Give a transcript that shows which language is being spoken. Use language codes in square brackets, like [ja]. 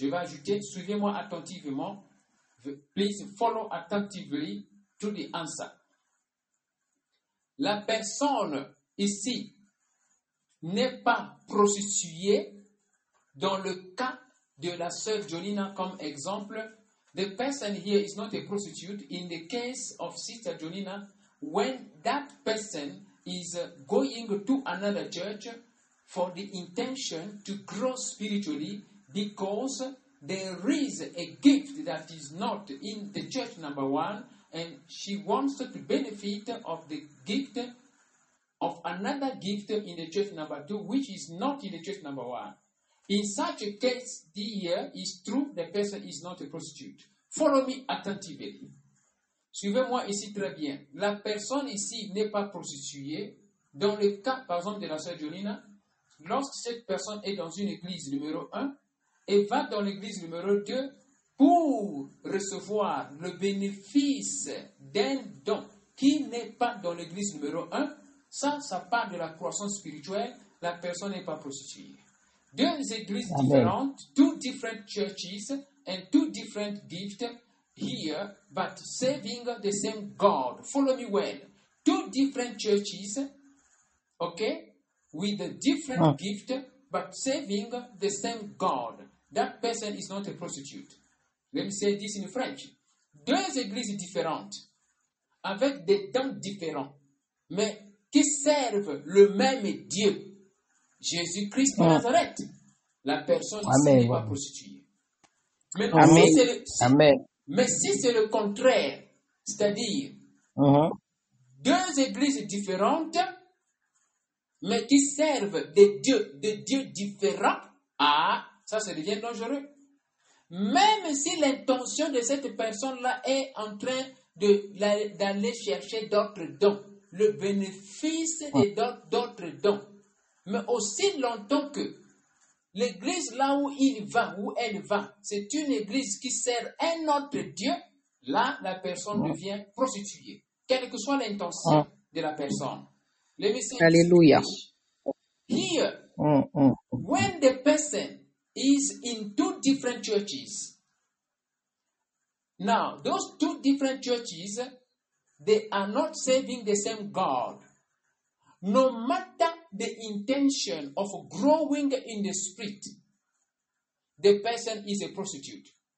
[fr] Je vais ajouter, suivez-moi attentivement. [en] Please follow attentively to the answer. [fr] La personne ici n'est pas prostituée dans le cas de la sœur Jonina comme exemple. [en] The person here is not a prostitute. In the case of sister Jonina, when that person is going to another church, for the intention to grow spiritually because there is a gift that is not in the church, number one, and she wants to benefit of the gift of another gift in the church, number two, which is not in the church, number one. In such a case, dear, it's true the person is not a prostitute. Follow me attentively. [fr] Suivez-moi ici très bien. La personne ici n'est pas prostituée. Dans le cas, par exemple, de la sœur Jonina, lorsque cette personne est dans une église numéro 1 et va dans l'église numéro 2 pour recevoir le bénéfice d'un don qui n'est pas dans l'église numéro 1, ça part de la croissance spirituelle, la personne n'est pas prostituée. Deux églises différentes, [en] two different churches and two different gifts here, but serving the same God. Follow me well. Two different churches, okay, with a different gift, but serving the same God. That person is not a prostitute. Let me say this in French. [fr] Deux églises différentes, avec des dons différents, mais qui servent le même Dieu, Jésus-Christ de Nazareth. La personne n'est pas prostituée. Mais Amen. Si Amen. Mais si c'est le contraire, c'est-à-dire deux églises différentes, mais qui servent des dieux différents, ah, ça, ça devient dangereux. Même si l'intention de cette personne-là est en train d'aller chercher d'autres dons, le bénéfice d'autres dons, mais aussi longtemps que l'église là où il va, où elle va, c'est une église qui sert un autre Dieu, là, la personne devient prostituée, quelle que soit l'intention de la personne. [en] Let me say Alléluia. Here, when the person is in two different churches, now, those two different churches, they are not serving the same God. No matter the intention of growing in the spirit, the person is a prostitute.